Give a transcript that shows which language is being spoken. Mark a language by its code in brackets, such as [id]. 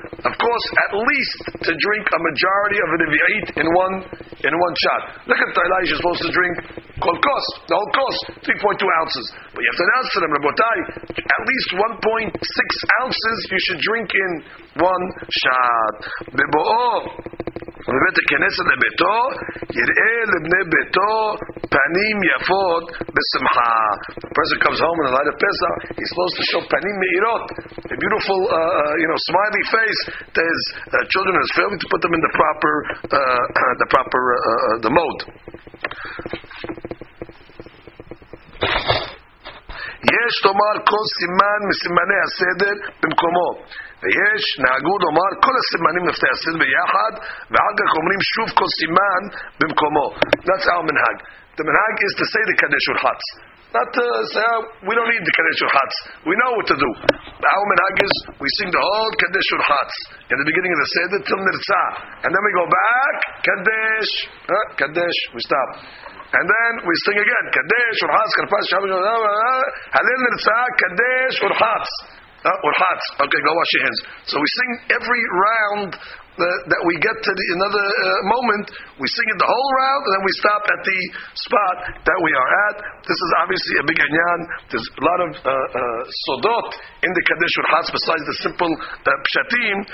[en] Of course, at least to drink a majority of the levi'it in one shot. Look at Tayla, you're supposed to drink kol kos, the whole kos, 3.2 ounces. But you have to announce to them, Rabotai, at least 1.6 ounces you should drink in one shot. [he] Bebo'o, ובבית הכנסת לביתו יראה לבני ביתו פנים יפות בשמחה. [en] The person comes home in the light of Pesach, he's supposed to show פנים מאירות, a beautiful smiley face to his children, his family, to put them in the proper the mode. [he] יש תאמר כל סימן מסימני הסדר במקומו. ויש נהגו לומר כל הסימנים לפני הסדר ביחד, ואחר כך אומרים שוב כל סימן במקומו. [en] That's our מנהג. The מנהג is to say the קדש ולחץ. Not to say, we don't need the קדש ולחץ. We know what to do. Our מנהג is, we sing the whole קדש ולחץ in the beginning of the סדר till נרצה. And then we go back, קדש, קדש, we stop. And then we sing again, [he] קדש ולחץ, קרפס, הלל נרצה, קדש ולחץ. [en] Urchatz. Okay, go wash your hands. So we sing every round that we get to another moment. We sing it the whole round, and then we stop at the spot that we are at. This is obviously a big anyan. There's a lot of sodot in the Kaddish Urchatz besides the simple pshatim.